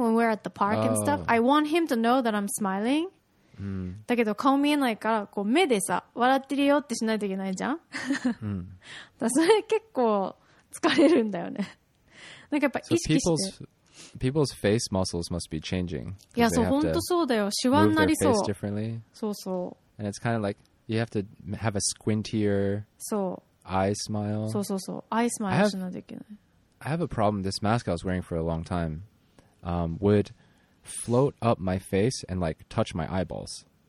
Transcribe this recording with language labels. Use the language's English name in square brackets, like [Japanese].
[English] When we're at the park and stuff,、I want him to know that I'm smiling. [Japanese] だけど顔見えないからこう目でさ笑ってるよってしないといけないじゃん、だそれ結構疲れるんだよね。なんかやっぱ意識して、 [English] people's face muscles must be changing. [Japanese] いやそう本当そうだよ、シワになりそう、 [English] move their face differently. [Japanese] そうそう、 [English] and it's kind of like you have to have a squintier eye smile. [Japanese] そうそうそう、 eye smile しないといけない。 [English] I have a problem. This mask I was wearing for a long time would float up my face and like touch my eyeballs.